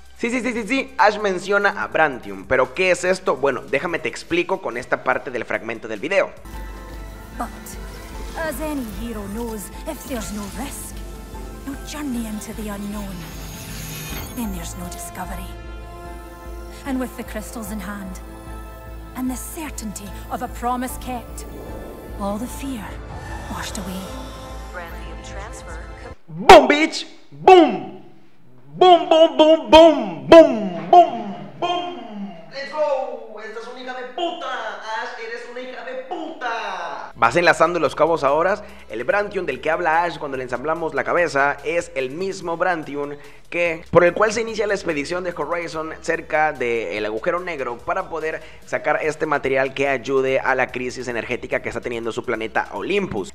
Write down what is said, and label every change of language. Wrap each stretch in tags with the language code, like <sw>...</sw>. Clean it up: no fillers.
<es>Sí, Ash menciona a Brantium, pero ¿qué es esto? Bueno, déjame te explico con esta parte del fragmento del video.</es> <en>But, as any hero knows, if there's no risk, no journey into the unknown, then there's no discovery. And with the crystals in hand, and the certainty of a promise kept, all the fear washed away. Brantium transfer. Boom, bitch! Boom! Boom, boom, boom, boom, boom, boom, boom. Let's go.</en> <es>Esta es una hija de puta. Ash, eres una hija de puta. Vas enlazando los cabos ahora. El Brantium del que habla Ash cuando le ensamblamos la cabeza es el mismo Brantium que por el cual se inicia la expedición de Horizon cerca del agujero negro para poder sacar este material que ayude a la crisis energética que está teniendo su planeta Olympus.</es>